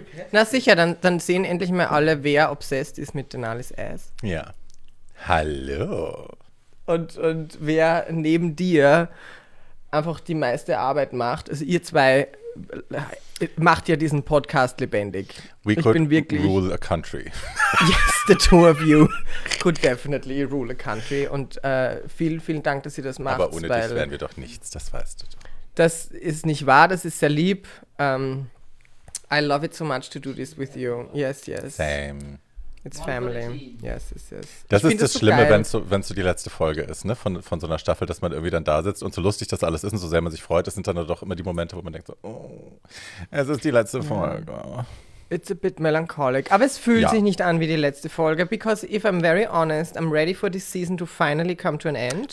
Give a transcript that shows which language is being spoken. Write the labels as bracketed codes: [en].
[de] Na sicher, dann sehen endlich mal alle, wer obsessed ist mit Denalis Ass. Ja. Hallo. Und wer neben dir einfach die meiste Arbeit macht. Also ihr zwei macht ja diesen Podcast lebendig. We ich could bin wirklich, rule a country. [en] Yes, the two of you could definitely rule a country. [de] Und vielen, vielen Dank, dass ihr das macht. Aber ohne dich wären wir doch nichts, das weißt du doch. Das ist nicht wahr, das ist sehr lieb. [en] I love it so much to do this with you. Yes, yes. Same. It's family. Yes, yes, yes. [de] Das ist das Schlimme, wenn es so die letzte Folge ist, ne? Von so einer Staffel, dass man irgendwie dann da sitzt und so lustig das alles ist und so sehr man sich freut, das sind dann doch immer die Momente, wo man denkt so, oh, es ist die letzte Folge. [en] It's a bit melancholic. [de] Aber es fühlt sich nicht an wie die letzte Folge, [en] because if I'm very honest, I'm ready for this season to finally come to an end.